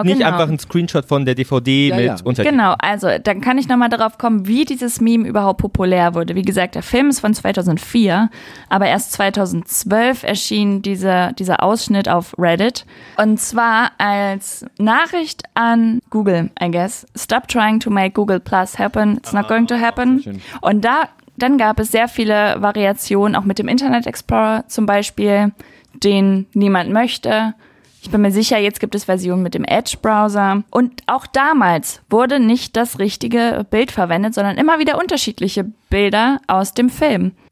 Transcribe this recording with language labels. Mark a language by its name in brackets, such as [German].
[German] und nicht einfach ein Screenshot von der DVD mit Untertiteln. Genau, also dann kann ich nochmal darauf kommen, wie dieses Meme überhaupt populär wurde. Wie gesagt, der Film ist von 2004, aber erst 2012 erschien dieser Ausschnitt auf Reddit. Und zwar als Nachricht an Google, [English] I guess. Stop trying to make Google Plus happen. It's not going to happen. [German] Und dann gab es sehr viele Variationen, auch mit dem Internet Explorer zum Beispiel, den niemand möchte. Ich bin mir sicher, jetzt gibt es Versionen mit dem Edge-Browser. Und auch damals wurde nicht das richtige Bild verwendet, sondern immer wieder unterschiedliche Bilder aus dem Film.